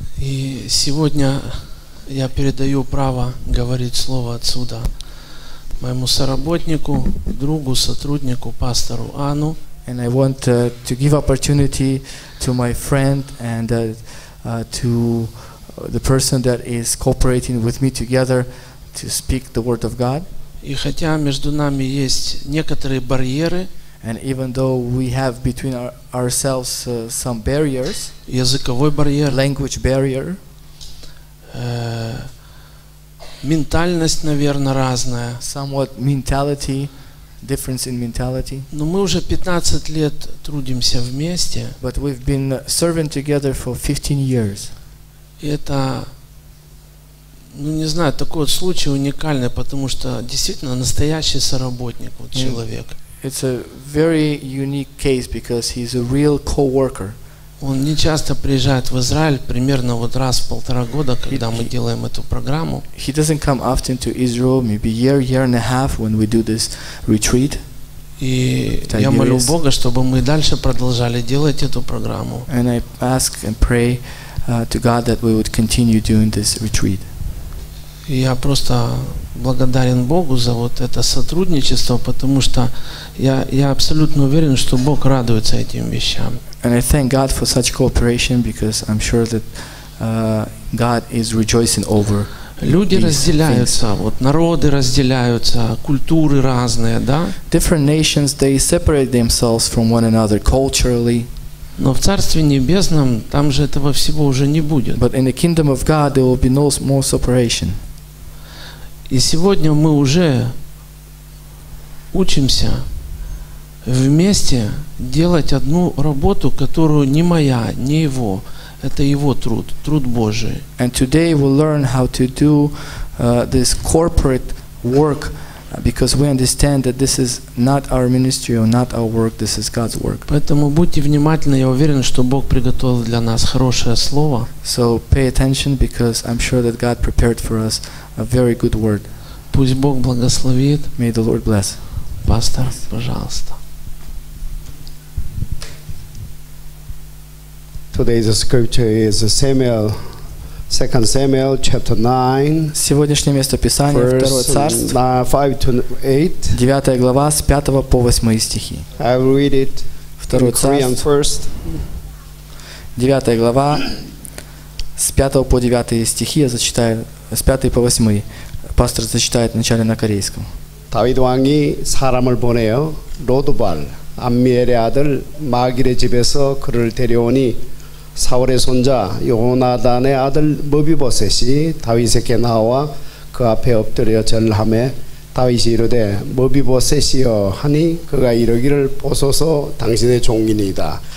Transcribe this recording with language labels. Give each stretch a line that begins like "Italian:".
Russian: И сегодня я передаю право говорить слово отсюда моему соработнику, другу, сотруднику, пастору Ану.
English: And I want to give opportunity to my friend and to the person that is cooperating with me together to speak the word of God.
Russian: И хотя между нами есть некоторые барьеры,
English: and even though we have between ourselves some barriers,
Russian: языковой барьер,
English: language barrier,
Russian: ментальность, наверное, разная,
English: somewhat mentality, difference in mentality.
Russian: Но мы уже 15 лет трудимся вместе.
English: But we've been serving together for 15 years.
Russian: Это, ну не знаю, такой вот случай уникальный, потому что действительно настоящий соработник, вот человек.
English: It's a very unique case because he's a real co-worker.
Russian: Он не часто приезжает в Израиль, примерно вот раз в полтора года, когда мы делаем эту программу.
English: He doesn't come often to Israel, maybe year, year and a half when we do this retreat.
Russian: И я молю Бога, чтобы мы дальше продолжали делать эту программу.
English: And I ask and pray to God that we would continue doing this retreat.
Russian: Я просто благодарен Богу за вот это сотрудничество, потому что я абсолютно уверен, что Бог радуется этим вещам.
English: And I thank God for such cooperation because I'm sure that God is rejoicing over
Russian: люди разделяются,
English: things.
Russian: Вот народы разделяются, культуры разные, да?
English: Different nations, they separate themselves from one another culturally.
Russian: Но в Царстве Небесном там же этого всего уже не будет.
English: But in the kingdom of God there will be no more separation.
Russian: И сегодня мы уже учимся вместе делать одну работу, которую не моя, не его. Это его труд, труд Божий.
English: And today we learn how to do this corporate work because we understand that this is not our ministry or not our work, this is God's work.
Russian: Поэтому будьте внимательны, я уверен, что Бог приготовил для нас хорошее слово.
English: So pay attention because I'm sure that God prepared for us a very good word.
Russian: Пусть Бог благословит.
English: May the Lord bless.
Russian: Пастор, пожалуйста.
English: Today's scripture is Samuel, 2 Samuel chapter 9.
Russian: Сегодняшнее место Писания, 2 Царство, 5-8. 9 глава, с 5 по 8 стихи.
English: I will read it.
Russian: 2 Царство
English: first.
Russian: 9 глава, с 5 по 9 стихи я зачитаю, с 5 по 8. Пастор зачитает вначале на корейском.
Korean: 다윗 왕이 사람을 보내어 로드발 암미엘의 아들 마길의 집에서 그를 데려오니 사울의 손자 요나단의 아들 므비보셋이 다윗에게 나와 그 앞에 엎드려 절하매 다윗이 이르되 므비보셋이여 하니 그가 이르기를 보소서 당신의 종이니이다.